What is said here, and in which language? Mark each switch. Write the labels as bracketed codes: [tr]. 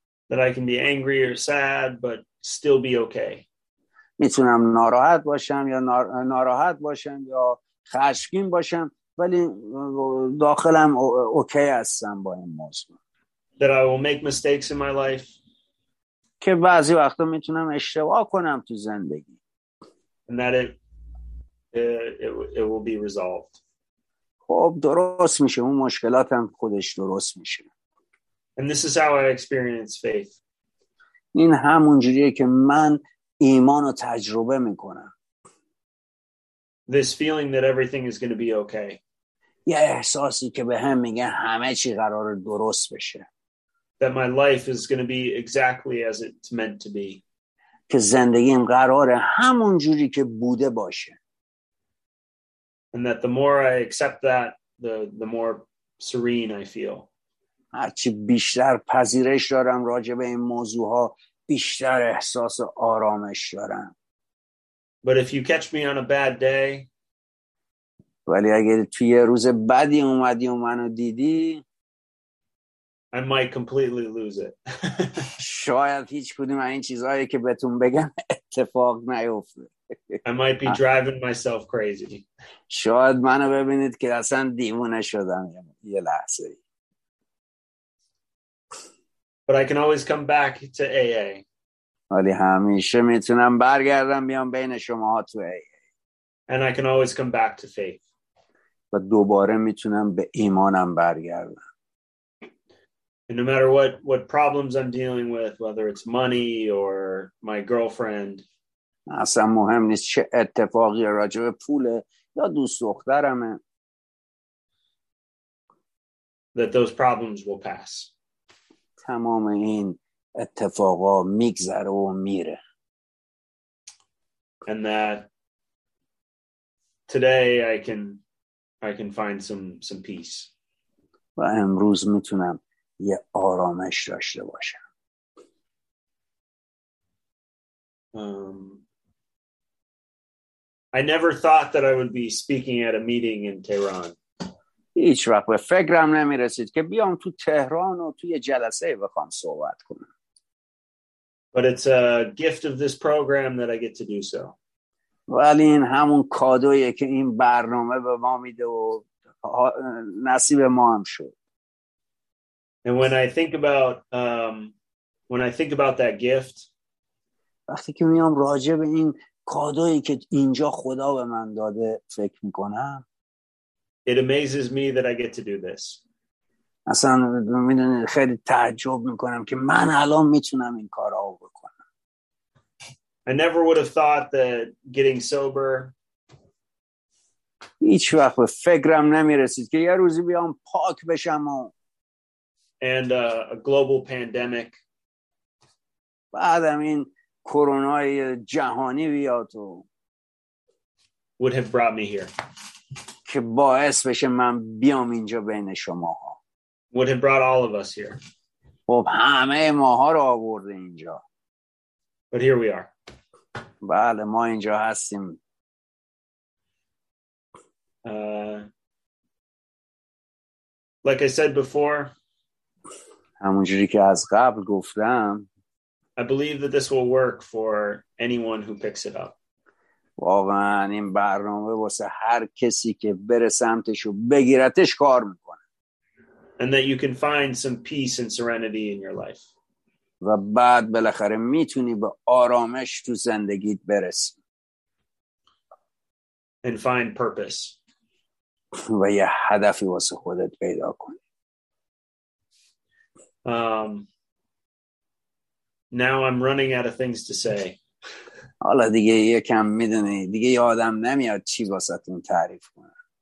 [en] That I can be angry or sad but still be okay. [fa] میتونم ناراحت باشم یا ناراحت باشم یا خشمگین باشم ولی داخلم اوکی هستم با این موضوع. [en] That I will make mistakes in my life. [fa] که بعضی وقتا میتونم اشتباه کنم تو زندگی. [en] And that it will be resolved. [fa] خب درست میشه، اون مشکلاتم خودش درست میشه. [en] And this is how I experience faith. [fa] این همون جوریه که من ایمان رو تجربه میکنم. [en] This feeling that everything is going to be okay. [fa] یه احساسی که به هم میگه همه چی قراره درست بشه. [en] That my life is going to be exactly as it's meant to be. [fa] که زندگیم قراره همون جوری که بوده باشه. [en] And that the more I accept that, the more serene I feel. [fa] هرچی بیشتر پذیرش دارم راجع به این موضوع ها بیشتر احساس آرامش دارم. [en] But if you catch me on a bad day, [fa] ولی اگه توی یه روز بدی اومدی و منو دیدی، [en] I might completely lose it. [fa] شاید هیچ کدوم این چیزایی که بهتون بگم اتفاق نیفته. [en] I might be driving myself crazy. [fa] شاید منو ببینید که اصلا دیوونه شدم یه لحظه. [en] But I can always come back to AA. [fa] ولی همیشه میتونم برگردم بیام بین شما تو AA. [en] And I can always come back to faith. [fa] و دوباره میتونم به ایمانم برگردم. [en] And no matter what problems I'm dealing with, whether it's money or my girlfriend, [fa] اصلا مهم نیست چه اتفاقی راجع به پوله یا دوست دخترمه. [en] That those problems will pass. [fa] تمام این اتفاقا میگذره و میره. [en] And that today I can find some peace. [fa] و امروز میتونم یه آرامش داشته باشم. [en] I never thought that I would be speaking at a meeting in Tehran. [fa] هیچ وقت به فکرم نمی رسید که بیام تو تهران و توی جلسه بخوام صحبت کنم. [en] But it's a gift of this program that I get to do so. [fa] ولی این همون کادویه که این برنامه به ما میده و نصیب ما هم شد. [en] And when I think about that gift, [fa] وقتی که میام راجع به این کادویی که اینجا خدا به من داده فکر میکنم, [en] it amazes me that I get to do this. [fa] اصلا میدونی خیلی تعجب میکنم که من الان میتونم این کار رو بکنم. [en] I never would have thought that getting sober, [fa] هیچ وقت به فکرم نمیرسید که یه روزی بیام پاک بشم و [en] and a global pandemic, [fa] بعدم این کرونای جهانی بیاد و [en] would have brought me here, [fa] که باعث بشه من بیام اینجا بین شما ها. [en] Would have brought all of us here. [fa] خب همه ماها رو آورده اینجا. [en] But here we are. [fa] بله ما اینجا هستیم. [en] Like I said before, [fa] همونجوری که از قبل گفتم, [en] I believe that this will work for anyone who picks it up. [fa] واقعا این برنامه واسه هر کسی که بره سمتش و بگیرتش کار میکنه. [en] And that you can find some peace and serenity in your life. [fa] و بعد بالاخره میتونی به آرامش تو زندگیت برسی. [en] And find purpose. [fa] و یه هدفی واسه خودت پیدا کنی. [en] Now I'm running out of things to say. [fa] حالا دیگه یکم میدونی دیگه یادم نمیاد چی واسه تون تعریف کنم.